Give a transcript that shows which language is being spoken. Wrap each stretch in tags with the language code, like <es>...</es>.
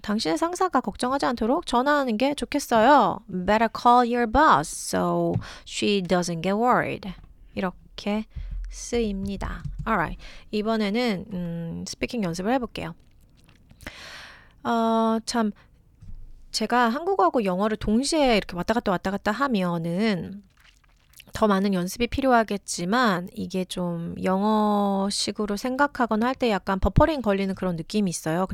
<ko>당신의 상사가 걱정하지 않도록 전화하는 게 좋겠어요.</ko> <en>Better call your boss so she doesn't get worried.</en> <ko>이렇게 쓰입니다. Alright. 이번에는 스피킹 연습을 해볼게요. 참 제가 한국어하고 영어를 동시에 이렇게 왔다 갔다 하면은 더 많은 연습이 필요하겠지만 이게 좀 영어식으로 생각하거나 할 때 약간 버퍼링 걸리는 그런 느낌이 있어요.</ko>